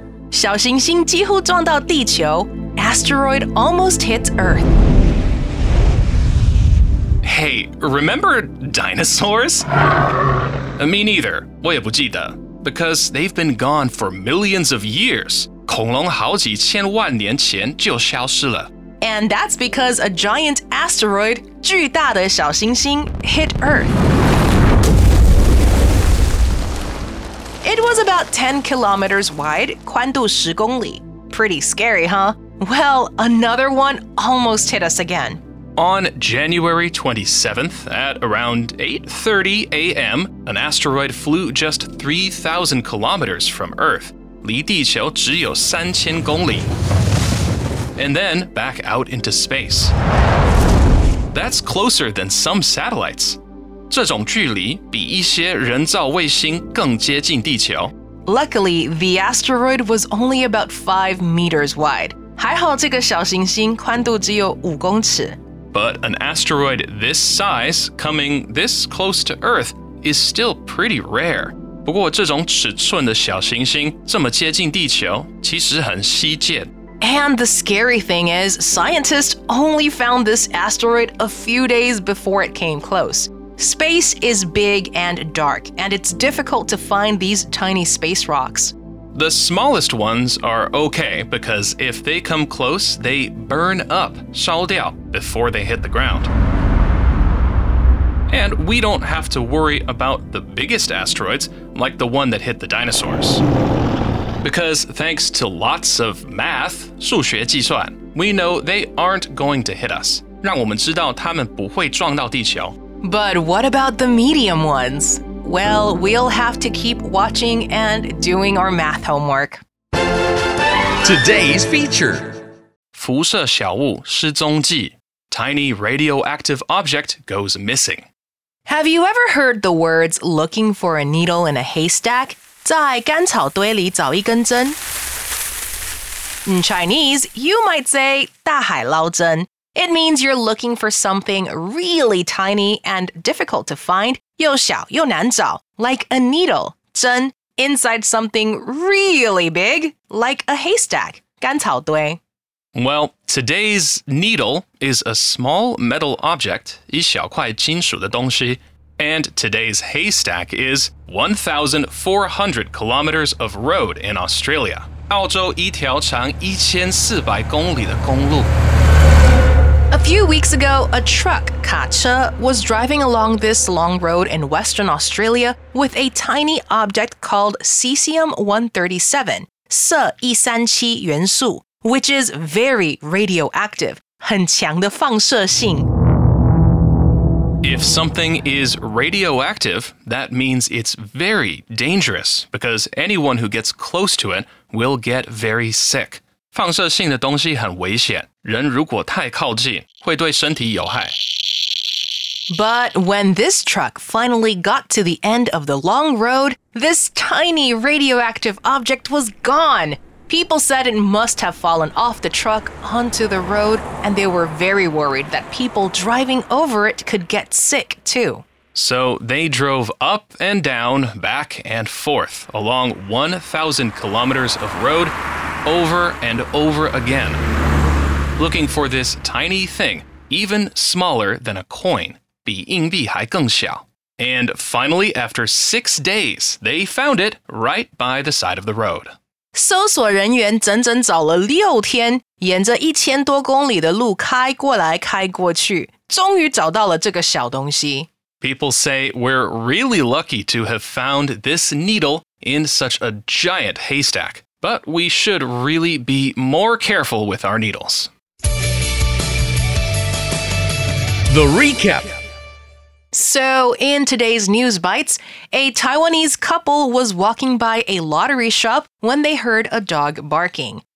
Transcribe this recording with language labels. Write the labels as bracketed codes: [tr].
[zh] 小行星几乎撞到地球 [en] Asteroid almost hits Earth. Hey, remember dinosaurs? Me neither. [zh] 我也不记得 [en] Because they've been gone for millions of years. [zh] 恐龙好几千万年前就消失了。 [en] And that's because a giant asteroid, [zh] 巨大的小行星, [en] hit Earth. It was about 10 kilometers wide, [zh] 寬度十公里. [en] Pretty scary, huh? Well, another one almost hit us again. On January 27th, at around 8:30 a.m., an asteroid flew just 3,000 kilometers from Earth, [zh] 离地球只有三千公里。 [en] And then back out into space. That's closer than some satellites. [zh] 這種距離比一些人造衛星更接近地球。 [en] Luckily, the asteroid was only about 5 meters wide. [zh] 還好這個小行星寬度只有5公尺。 [en] But an asteroid this size coming this close to Earth is still pretty rare. [zh] 不過這種尺寸的小行星這麼接近地球其實很稀見。 [en] And the scary thing is, scientists only found this asteroid a few days before it came close. Space is big and dark, and it's difficult to find these tiny space rocks. The smallest ones are okay, because if they come close, they burn up, [zh] 烧掉, [en] before they hit the ground. And we don't have to worry about the biggest asteroids, like the one that hit the dinosaurs. Because thanks to lots of math, [zh] 数学计算, [en] we know they aren't going to hit us. [zh] 让我们知道他们不会撞到地球。 [en] But what about the medium ones? Well, we'll have to keep watching and doing our math homework. Today's feature. [zh] 辐射小物失踪记, [en] tiny radioactive object goes missing. Have you ever heard the words looking for a needle in a haystack? [zh] 在干草堆里找一根针。 [en] In Chinese, you might say [zh] 大海捞针。 [en] It means you're looking for something really tiny and difficult to find, [zh] 又小又难找, [en] like a needle, 针, inside something really big, like a haystack, 干草堆。 Well, today's needle is a small metal object, [zh] 一小块金属的东西。 [en] And today's haystack is 1,400 kilometers of road in Australia. [zh] 澳洲一条长1400公里的公路。 [en] A few weeks ago, a truck, 卡车, was driving along this long road in Western Australia with a tiny object called cesium-137, 色137元素, which is very radioactive, [zh] 很强的放射性。 [en] If something is radioactive, that means it's very dangerous because anyone who gets close to it will get very sick. [zh] 放射性的东西很危险，人如果太靠近，会对身体有害。 [en] But when this truck finally got to the end of the long road, this tiny radioactive object was gone. People said it must have fallen off the truck onto the road, and they were very worried that people driving over it could get sick too. So they drove up and down, back and forth, along 1,000 kilometers of road, over and over again, looking for this tiny thing, even smaller than a coin. [zh] 比硬币还更小。 [en] And finally, after 6 days, they found it right by the side of the road. [zh] 搜索人员整整找了六天，沿着一千多公里的路开过来开过去，终于找到了这个小东西。 [en] People say we're really lucky to have found this needle in such a giant haystack, but we should really be more careful with our needles. The recap. So, in today's News Bites, a Taiwanese couple was walking by a lottery shop when they heard a dog barking.